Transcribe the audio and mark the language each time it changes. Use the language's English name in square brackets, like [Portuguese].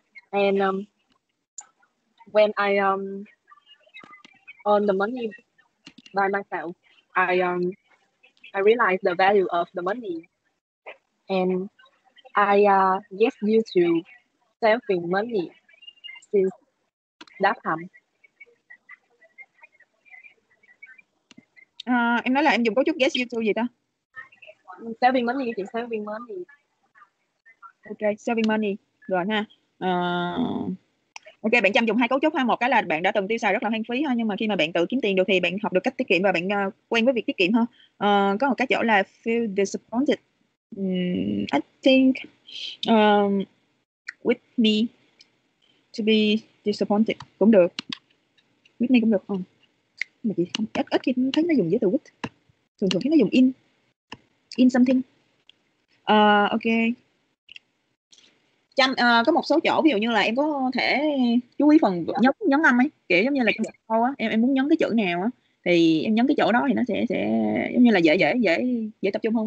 [English] And when I earned the money by myself, I realized the value of the money. And I get used to saving money since that time. [Vietnamese] Em nói là em dùng cấu trúc [English] guess you to [Vietnamese] gì ta? [English] Saving money, [Vietnamese] chị. [English] Saving money. Ok, saving money. [Vietnamese] Rồi ha. Ok, bạn chăm dùng hai cấu trúc ha. Một cái là bạn đã từng tiêu xài rất là hoang phí ha. Nhưng mà khi mà bạn tự kiếm tiền được thì bạn học được cách tiết kiệm và bạn quen với việc tiết kiệm ha. Có một cái chỗ là [English] feel disappointed. I think with me to be disappointed [Vietnamese] cũng được. [English] With me [Vietnamese] cũng được không? Mà chị không ít khi thấy nó dùng với từ with. Thường thấy nó dùng in something. Ok. chăm, có một số chỗ ví dụ như là em có thể chú ý phần nhấn nhấn âm ấy, kiểu giống như là em muốn nhấn cái chữ nào á thì em nhấn cái chỗ đó thì nó sẽ giống như là dễ tập trung hơn.